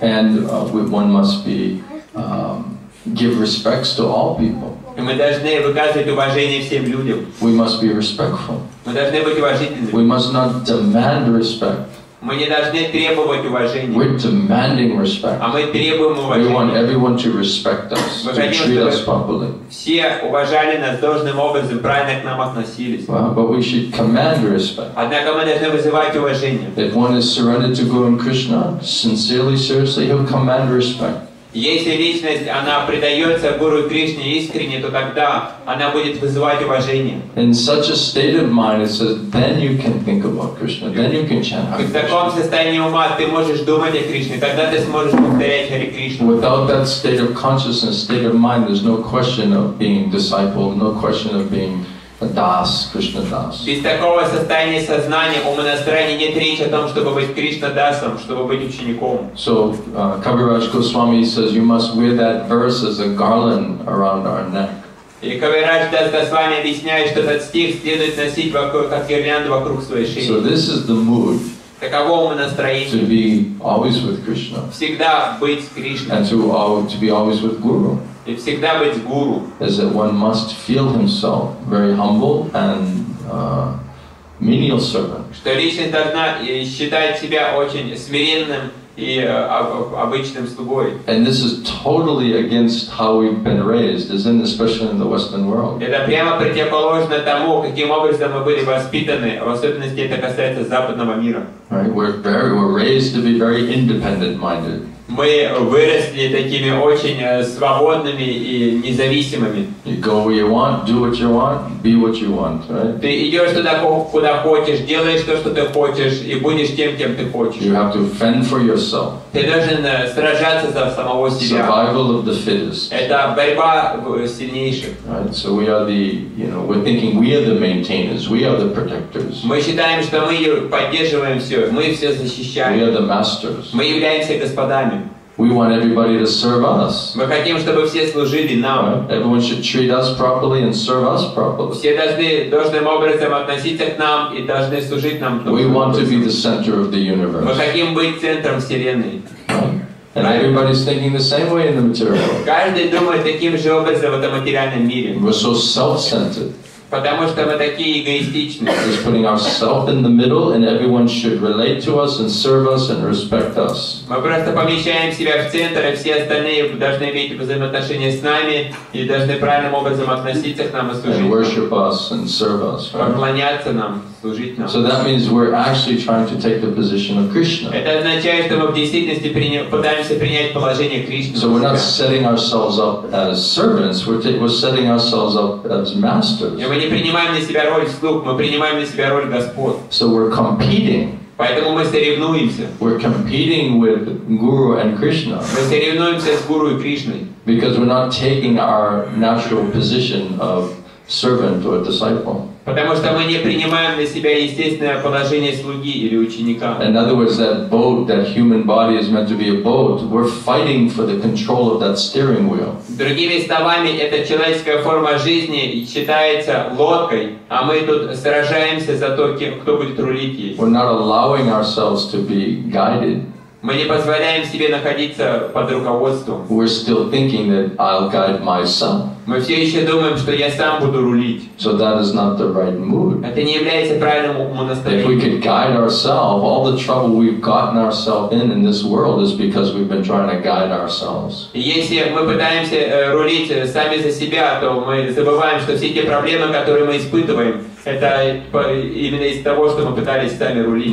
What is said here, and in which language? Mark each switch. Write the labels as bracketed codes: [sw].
[en] And one must be give respects to all people. [ru] И мы должны выказывать уважение всем людям. [en] We must be respectful. [ru] Мы должны быть уважительными. [en] We must not demand respect. [ru] Мы не должны требовать уважения. [en] We're demanding respect. [ru] А мы требуем уважения. [en] We want everyone to respect us, to treat us properly. [ru] Все уважали нас должным образом, правильно к нам относились. [en] But we should command respect. [ru] Однако мы должны вызывать уважение. [en] If one is surrendered to Guru and Krishna, sincerely, seriously, he'll command respect. [ru] Если личность она предается Гуру и Кришне искренне, то тогда она будет вызывать уважение. [en] In such a state of mind, it says, then you can think about Krishna, then you can chant Hare Krishna. [ru] В таком состоянии ума ты можешь думать о Кришне, тогда ты сможешь повторять Hare Krishna. [en] Without that state of consciousness, state of mind, there's no question of being disciple, no question of being a das, Krishna das. [ru] Без такого состояния сознания ума настроения нет речи о том, чтобы быть Кришна дасом, чтобы быть учеником. [en] So Kaviraj Goswami says you must wear that verse as a garland around our neck. [ru] И Кавирадж Дас Госвами объясняет, что этот стих следует носить вокруг, как гирлянд вокруг своей шеи. [en] So this is the mood. [ru] Таково ума настроение. [en] To be always with Krishna. [ru] Всегда быть с Кришной. [en] And to be always with Guru. [ru] И всегда быть с Гуру. [en] Is that one must feel himself very humble and menial servant. [ru] Что личность должна считать себя очень смиренным и обычным слугой. [en] And this is totally against how we've been raised, isn't it? Especially in the Western world. [ru] Это прямо противоположно тому, каким образом мы были воспитаны, в особенности это касается западного мира. [en] Right, we're raised to be very independent minded. [ru] Мы выросли такими очень свободными и независимыми. [en] You go where you want, do what you want, be what you want, right? [ru] Ты идешь туда, куда хочешь, делаешь то, что ты хочешь, и будешь тем, кем ты хочешь. [en] You have to fend for yourself. [ru] Ты должен сражаться за самого себя. [en] Survival of the fittest. [ru] Это борьба сильнейших. [en] Right? So we are the, you know, we're thinking we are the maintainers, we are the protectors. [ru] Мы считаем, что мы поддерживаем все, мы все защищаем. [en] We are the masters. [ru] Мы являемся господами. [en] We want everybody to serve us. [ru] Мы хотим, чтобы все служили нам. [en] Everyone should treat us properly and serve us properly. [ru] Все должны должным образом относиться к нам и должны служить нам. [en] We want to be the center of the universe. [ru] Мы хотим быть центром вселенной. [en] And everybody's thinking the same way in the material world. [ru] Каждый думает таким же образом в этом материальном мире. [en] We're so self-centered. [ru] Потому что мы такие эгоистичные. [en] Just putting ourselves in the middle, and everyone should relate to us and serve us and respect us. [ru] Мы просто помещаем себя в центр, и все остальные должны иметь взаимоотношения с нами и должны правильным образом относиться к нам и служить. [en] And worship us and serve us. [ru] Поклоняться нам, служить нам. [en] So that means we're actually trying to take the position of Krishna. [ru] Это означает, что мы в действительности пытаемся принять положение Кришны. [en] So we're not setting ourselves up as servants. We're setting ourselves up as masters. [ru] Мы не принимаем на себя роль слуг, мы принимаем на себя роль Господ. [en] So we're competing. [ru] Поэтому мы соревнуемся. [en] We're competing with Guru and Krishna. [ru] Мы соревнуемся с Гуру и Кришной. [en] Because we're not taking our natural position of servant or disciple. [ru] Потому что мы не принимаем на себя естественное положение слуги или ученика. [en] In other words, that boat, that human body is meant to be a boat. We're fighting for the control of that steering wheel. [ru] Другими словами, эта человеческая форма жизни считается лодкой, а мы тут сражаемся за то, кто будет рулить ей. [en] We're not allowing ourselves to be guided. [ru] Мы не позволяем себе находиться под руководством. [en] We're still thinking that I'll guide myself. [ru] Мы все еще думаем, что я сам буду рулить. [en] So that is not the right mood. [ru] Это не является правильным умонастроением. [en] If we could guide ourselves, all the trouble we've gotten ourselves in this world is because we've been trying to guide ourselves. [ru] Если мы пытаемся рулить сами за себя, то мы забываем, что все те проблемы, которые мы испытываем, это именно из-за того, что мы пытались сами рулить.